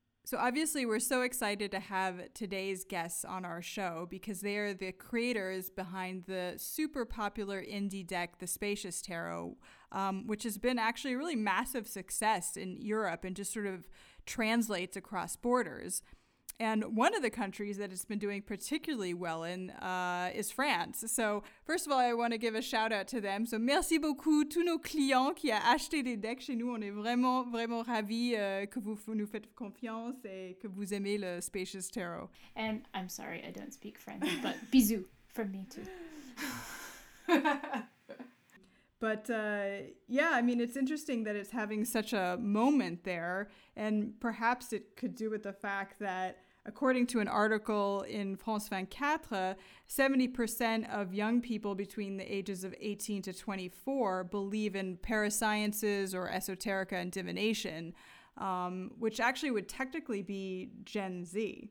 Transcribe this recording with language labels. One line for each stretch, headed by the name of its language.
English: So obviously, we're so excited to have today's guests on our show because they are the creators behind the super popular indie deck, the Spacious Tarot, which has been actually a really massive success in Europe and just sort of translates across borders. And one of the countries that it's been doing particularly well in is France. So first of all, I want to give a shout out to them.
French: So merci beaucoup tous nos clients qui a acheté des decks chez nous. On est vraiment, vraiment ravis que vous nous faites confiance et que vous aimez le Spacious Tarot.
English: And I'm sorry, I don't speak French, but bisous from me too. But yeah, I mean, it's interesting that it's having such a moment there. And perhaps it could do with the fact that, according to an article in France 24, 70% of young people between the ages of 18 to 24 believe in parasciences or esoterica and divination, which actually would technically be Gen Z.